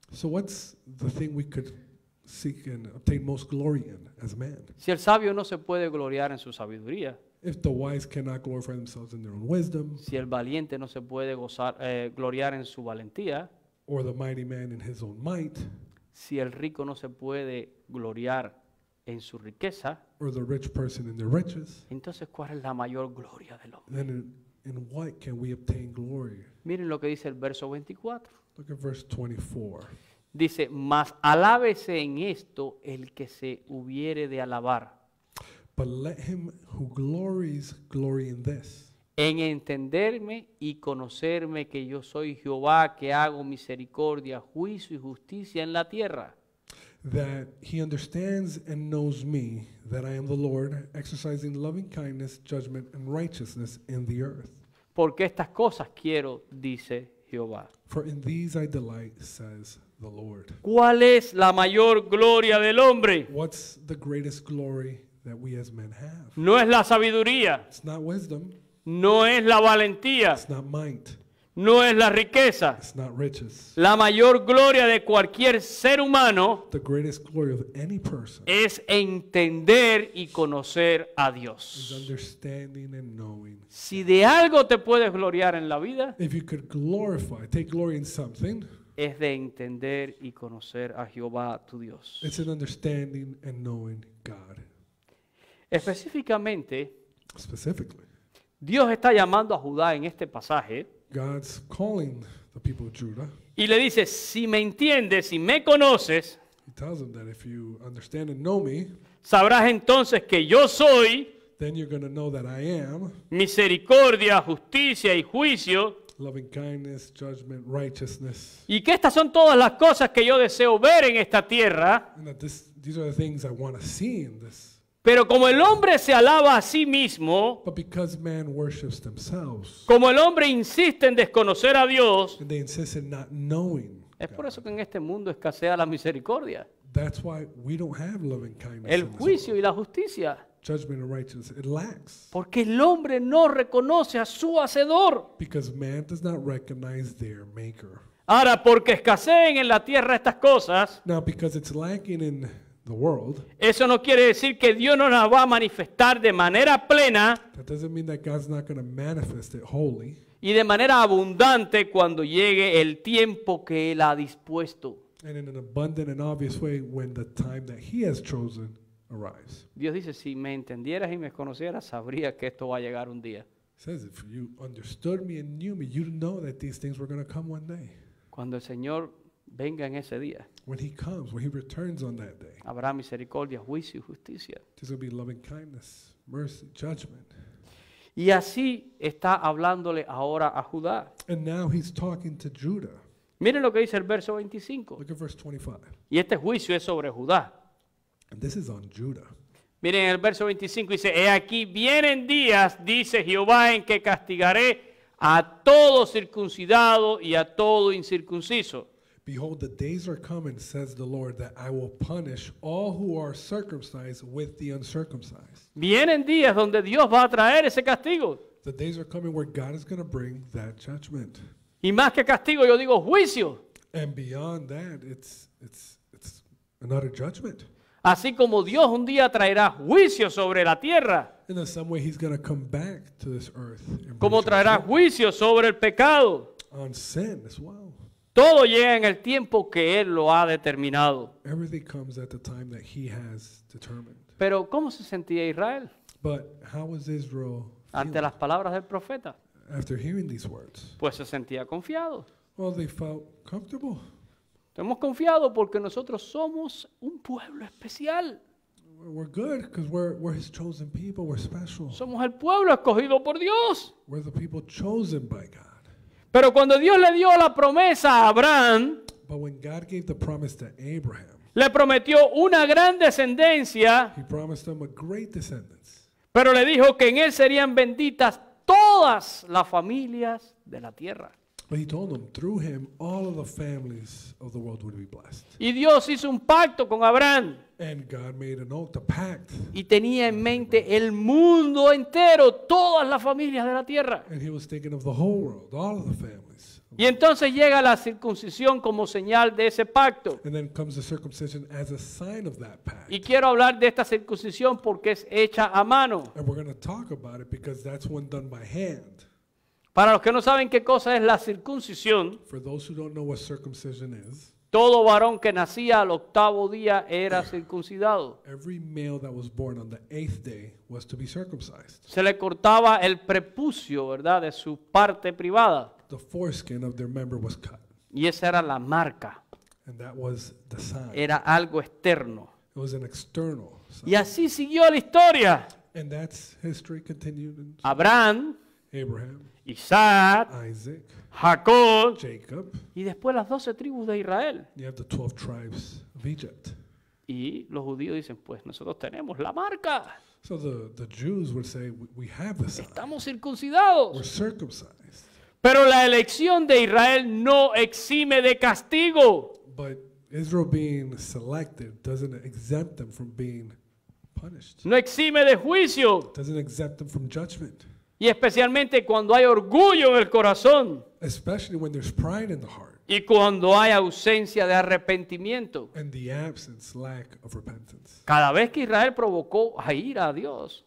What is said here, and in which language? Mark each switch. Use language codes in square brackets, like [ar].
[en] So what's the thing we could seek and obtain most glory in as man? [es] Si el sabio no se puede gloriar en su sabiduría. [en] If the wise cannot glorify themselves in their own wisdom. [es] Si el valiente no se puede gozar, gloriar en su valentía. [en] Or the mighty man in his own might. [es] Si el rico no se puede gloriar en su riqueza. [en] Or the rich person in their riches. [es] Entonces, ¿cuál es la mayor gloria del hombre? [en] Then in what can we obtain glory? [es] Miren lo que dice el verso 24. [en] Look at verse 24. [es] Dice, mas alábese en esto el que se hubiere de alabar. [en] But let him who glories glory in this. [es] En entenderme y conocerme que yo soy Jehová, que hago misericordia, juicio y justicia en la tierra. [en] That he understands and knows me, that I am the Lord, exercising loving kindness, judgment, and righteousness in the earth. [es] Porque estas cosas quiero, dice Jehová. [en] For in these I delight, says the Lord. [es] ¿Cuál es la mayor gloria del hombre? [en] What's the greatest glory that we as men have? [es] No es la sabiduría. [en] It's not wisdom. [es] No es la valentía. [en] It's not might. [es] No es la riqueza. [en] It's not riches. [es] La mayor gloria de cualquier ser humano. [en] The greatest glory of any person. [es] Es entender y conocer a Dios. [en] Is understanding and knowing. [es] Si de algo te puedes gloriar en la vida. [en] If you could glorify, take glory in something. [es] Es de entender y conocer a Jehová tu Dios. [en] It's an understanding and knowing God. [es] Específicamente. [en] Specifically. [es] Dios está llamando a Judá en este pasaje. [en] God's calling the people of Judah. [es] Y le dice, si me entiendes, si me conoces, [en] he tells them that if you understand and know me, [es] sabrás entonces que yo soy, [en] then you're going to know that I am, [es] misericordia, justicia y juicio, [en] loving kindness, judgment, righteousness, [es] y que estas son todas las cosas que yo deseo ver en esta tierra, [en] and that this, these are the things I want to see in this. [es] Pero como el hombre se alaba a sí mismo, [en] but because man worships themselves, [es] como el hombre insiste en desconocer a Dios, [en] and they insist in not knowing God. [es] Es por eso que en este mundo escasea la misericordia. [en] That's why we don't have loving kindness. [es] El juicio y la justicia. [en] Judgment and righteousness, it lacks. [es] Porque el hombre no reconoce a su hacedor. [en] Because man does not recognize their maker. [es] Ahora, porque escaseen en la tierra estas cosas. [en] Now, because it's lacking in the world, [es] eso no quiere decir que Dios no la va a manifestar de manera plena. [en] That doesn't mean that God's not going to manifest it wholly. [es] Y de manera abundante cuando llegue el tiempo que Él ha dispuesto. [en] And in an abundant and obvious way when the time that He has chosen arrives. [es] Dios dice, si me entendieras y me conocieras, sabrías que esto va a llegar un día. [en] He says, if you understood me and knew me, you'd know that these things were going to come one day. [es] Cuando el Señor venga en ese día. [en] When he comes, when he returns on that day. [es] Habrá misericordia, juicio y justicia. [en] There's going to be loving kindness, mercy, judgment. [es] Y así está hablándole ahora a Judá. [en] And now he's talking to Judah. [es] Miren lo que dice el verso 25. [en] Look at verse 25. [es] Y este juicio es sobre Judá. [en] And this is on Judah. [es] Miren el verso 25 dice, he aquí vienen días, dice Jehová, en que castigaré a todo circuncidado y a todo incircunciso. [en] Behold, the days are coming, says the Lord, that I will punish all who are circumcised with the uncircumcised. [es] Vienen días donde Dios va a traer ese castigo. [en] The days are coming where God is going to bring that judgment. [es] Y más que castigo, yo digo juicio. [en] And beyond that, it's another judgment. [es] Así como Dios un día traerá juicio sobre la tierra. [en] In some way, he's going to come back to this earth. [es] Como traerá juicio sobre el pecado. [en] On sin as well. [es] Todo llega en el tiempo que Él lo ha determinado. [en] Everything comes at the time that He has determined. [es] Pero ¿cómo se sentía Israel? [en] But how was Israel feeling? [es] Ante las palabras del profeta. [en] After hearing these words. [es] Pues se sentía confiado. [en] Well, they felt comfortable. [es] Estamos confiados porque nosotros somos un pueblo especial. [en] We're good because we're His chosen people. We're special. [es] Somos el pueblo escogido por Dios. [en] We're the people chosen by God. [es] Pero cuando Dios le dio la promesa a Abraham, [en] but when God gave the promise to Abraham, [es] le prometió una gran descendencia, [en] he promised him a great descendants. [es] Pero le dijo que en él serían benditas todas las familias de la tierra. [en] But he told them, through him, all of the families of the world would be blessed. [es] Y Dios hizo un pacto con Abraham. [en] And God made an oath, a pact. [es] Y tenía en mente el mundo entero, todas las familias de la tierra. [en] And he was thinking of the whole world, all of the families. [es] Y entonces llega la circuncisión como señal de ese pacto. [en] And then comes the circumcision as a sign of that pact. [es] Y quiero hablar de esta circuncisión porque es hecha a mano. [en] And we're going to talk about it because that's one done by hand. [es] Para los que no saben qué cosa es la circuncisión, [en] for those who don't know what circumcision is, [es] todo varón que nacía al octavo día era circuncidado. [en] Every male that was born on the eighth day was to be circumcised. [es] Se le cortaba el prepucio, ¿verdad?, de su parte privada. [en] The foreskin of their member was cut. [es] Y esa era la marca. [en] And that was the sign. [es] Era algo externo. [en] It was an external sign. [es] Y así siguió la historia. [en] And that's history continued. [es] Abraham. [en] Abraham. [es] Isaac, [en] Isaac, [es] Jacob, [en] Jacob, [es] y después las 12 tribus de Israel. [en] You have the 12 tribes of Egypt. [es] Y los judíos dicen, pues nosotros tenemos la marca. [en] So the Jews would say, we have the sign. [es] Estamos circuncidados. [en] We're circumcised. [es] Pero la elección de Israel no exime de castigo. [en] But Israel being selected doesn't exempt them from being punished. [es] No exime de juicio. [en] It doesn't exempt them from judgment. [es] Y especialmente cuando hay orgullo en el corazón. [en] Especially when there's pride in the heart. [es] Y cuando hay ausencia de arrepentimiento. [en] And the absence, lack of repentance. [es] Cada vez que Israel provocó a ira a Dios.